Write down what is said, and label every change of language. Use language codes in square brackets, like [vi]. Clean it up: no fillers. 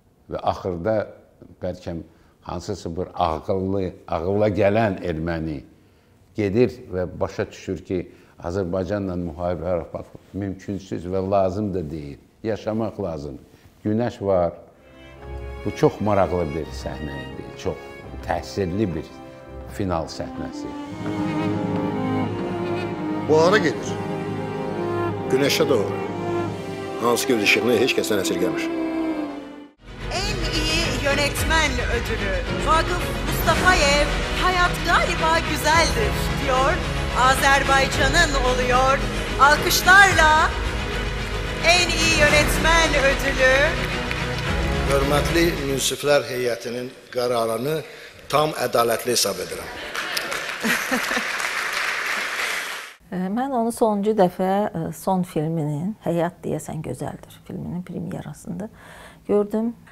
[az] Və axırda bəlkə hansısa bir ağılla gələn erməni gedir və başa düşür ki, Azərbaycanla müharibə aparmaq mümkünsüz və lazım da deyil. Yaşamaq lazım. Günəş var. Bu çox maraqlı bir səhnə idi. Çox təsirli bir final səhnəsi. Bu ara gedir. Günəşə doğru. Hansı göz işığını heç kəsdən əsirgəmir. [tr] Ən iyi yönetmən ödülü Vaqif Mustafayev Hayat Galiba Güzeldir diyor. Azərbaycanın oluyor. Alkışlarla en iyi yönetmen ödülü. [az] Hörmətli münsiflər heyətinin qərarını tam ədalətli hesab edirəm. Mən onu sonuncu dəfə son filminin Həyat deyəsən gözəldir filminin premyerasında gördüm.